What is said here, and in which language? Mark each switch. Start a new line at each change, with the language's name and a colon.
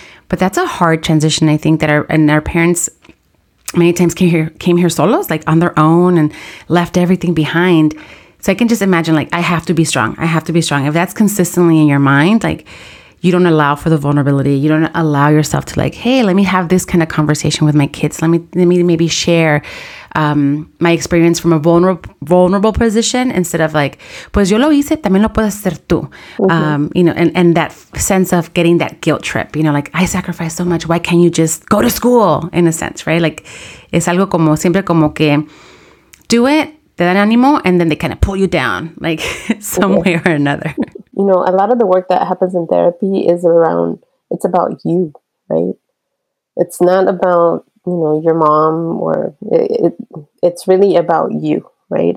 English: But that's a hard transition, I think, that our parents many times came here
Spanish: solos,
English: like on their own and left everything behind. So I can just imagine, like, I have to be strong. I have to be strong. If that's consistently in your mind, like, you don't allow for the vulnerability. You don't allow yourself to, like, hey, let me have this kind of conversation with my kids. Let me maybe share my experience from a vulnerable position instead of, like,
Spanish: pues yo lo hice, también lo puedes hacer tú.
English: Mm-hmm. You know, and that sense of getting that guilt trip. You know, like, I sacrificed so much. Why can't you just go to school, in a sense, right? Like,
Spanish: es algo como siempre como que
English: do it.
Spanish: Te dan ánimo,
English: and then they kind of pull you down, like, some way or another. You know, a lot of the work that happens in therapy is around, it's about you, right? It's not about, you know, your mom, or it's really about you, right?